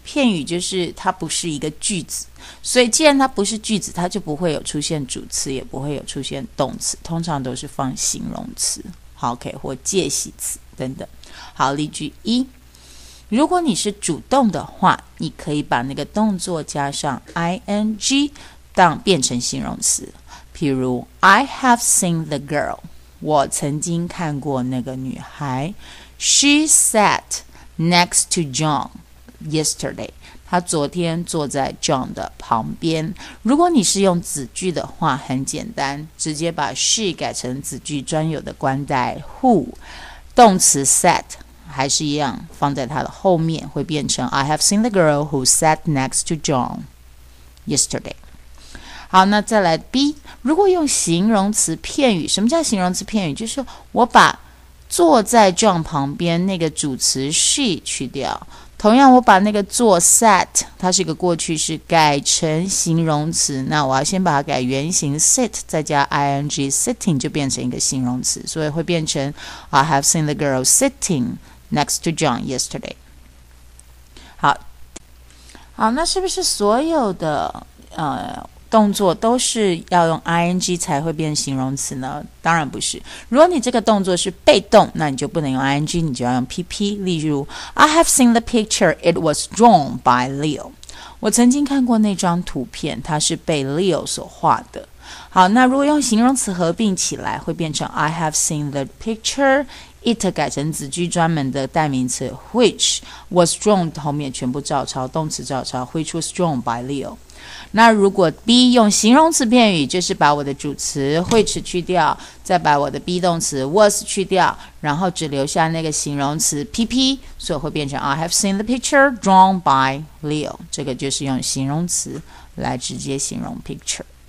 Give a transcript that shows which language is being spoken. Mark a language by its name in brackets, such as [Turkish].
[Chinese] 片语就是它不是一个句子，所以既然它不是句子，它就不会有出现主词，也不会有出现动词，通常都是放形容词，好 ，OK， 或介系词等等。好，例句一，如果你是主动的话，你可以把那个动作加上 ing， 当变成形容词。譬如 ， [English] I have seen the girl， [Chinese] 我曾经看过那个女孩。 [English] She sat next to John yesterday， [Chinese] 她昨天坐在 John 的旁边。如果你是用子句的话，很简单，直接把 she 改成子句专有的冠带 who， 动词 sat 还是一样放在它的后面，会变成 [English] I have seen the girl who sat next to John yesterday。 [Chinese] 好，那再来 B， 如果用形容词片语，什么叫形容词片语？就是我把坐在 John 旁边那个主词 she 去掉，同样我把那个坐 sat 它是一个过去式改成形容词，那我要先把它改原形 sit 再加 ing， sitting 就变成一个形容词，所以会变成 [English] I have seen the girl sitting next to John yesterday。 [Chinese] 好，那是不是所有的动作都是要用 ing 才会变形容词呢？当然不是。如果你这个动作是被动，那你就不能用 ing， 你就要用 PP。 [English] 例如 I have seen the picture, it was drawn by Leo， [Chinese] 我曾经看过那张图片，它是被 Leo 所画的。好，那如果用形容词合并起来，会变成 [English] I have seen the picture， [Chinese] it 改成子句专门的代名词 which， was drawn 后面全部照抄，动词照抄 [English] which was drawn by Leo。 [Chinese] 那如果 be 用形容词片语，就是把我的主词 which 去掉，再把我的 be 动词 was 去掉，然后只留下那个形容词 PP， 所以会变成 [English] I have seen the picture drawn by Leo， [Chinese] 这个就是用形容词来直接形容 picture。